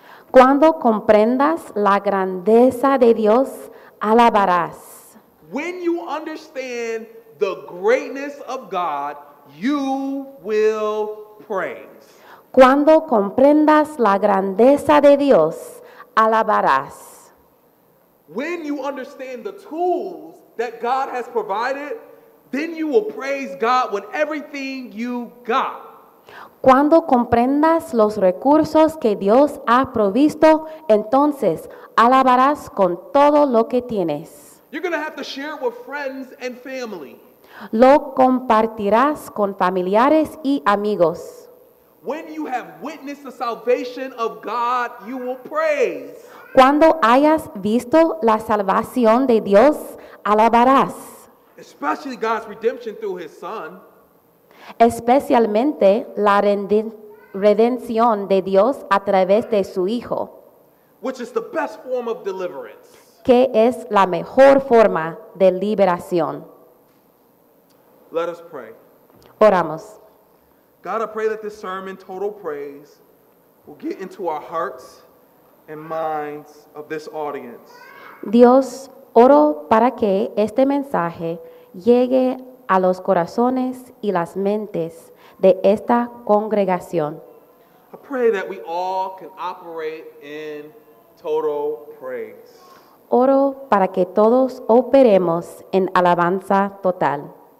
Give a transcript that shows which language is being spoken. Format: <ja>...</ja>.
<es>Cuando comprendas la grandeza de Dios, alabarás.</es> <en>When you understand the greatness of God, you will praise.</en> <es>Cuando comprendas la grandeza de Dios, alabarás.</es> <en>When you understand the tools that God has provided, then you will praise God with everything you got.</en> <es>Cuando comprendas los recursos que Dios ha provisto, entonces alabarás con todo lo que tienes.</es> <en>You're going to have to share with friends and family.</en> <es>Lo compartirás con familiares y amigos.</es> <en>When you have witnessed the salvation of God, you will praise.</en> <es>Cuando hayas visto la salvación de Dios, alabarás.</es> <en>Especially God's redemption through his son.</en> <es>Especialmente la redención de Dios a través de su hijo.</es> <en>Which is the best form of deliverance.</en> <es>Que es la mejor forma de liberación.</es> <en>Let us pray.</en> <es>Oramos.</es> <en>God, I pray that this sermon, Total Praise, will get into our hearts and minds of this audience.</en> <es>Dios, oro para que este mensaje llegue a los corazones y las mentes de esta congregación.</es> <en>I pray that we all can operate in total praise.</en> <es>Oro para que todos operemos en alabanza total.</es>